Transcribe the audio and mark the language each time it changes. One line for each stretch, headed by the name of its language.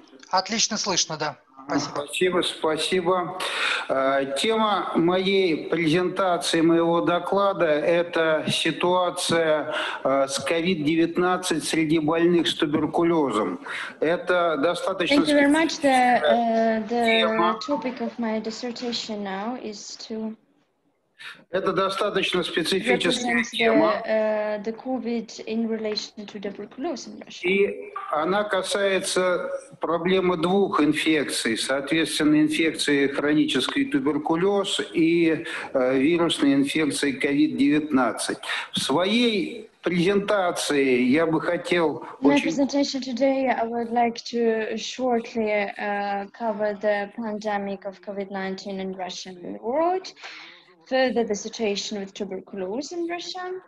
Russian: Отлично слышно, да. Спасибо. Спасибо. Тема моей презентации, моего доклада – это ситуация с COVID-19 среди больных с туберкулезом. Это достаточно специфическая тема.
English: Thank you very much. The topic of my dissertation now is to.
Russian: Это достаточно специфическая тема.
English: The COVID in relation to tuberculosis in Russia.
Russian: И она касается проблемы двух инфекций. Соответственно, инфекции хронический туберкулез и вирусной инфекции COVID-19. В своей презентации я бы хотел очень...
English: My presentation today, I would like to shortly cover the pandemic of COVID-19 in Russian world. Further the situation with tuberculosis in Russia.